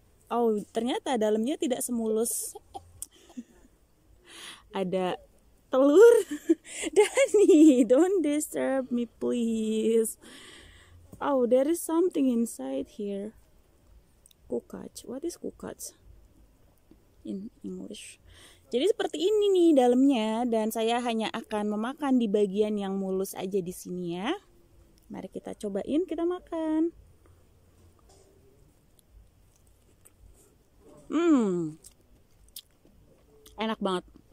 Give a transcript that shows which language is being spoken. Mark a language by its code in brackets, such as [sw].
[id] Oh, ternyata dalamnya tidak semulus. Ada telur. [en] Danny, don't disturb me, please. Oh, there is something inside here. Kukac. What is kukac in English? [id] Jadi seperti ini nih dalamnya, dan saya hanya akan memakan di bagian yang mulus aja di sini ya. Mari kita cobain, kita makan. Enak banget.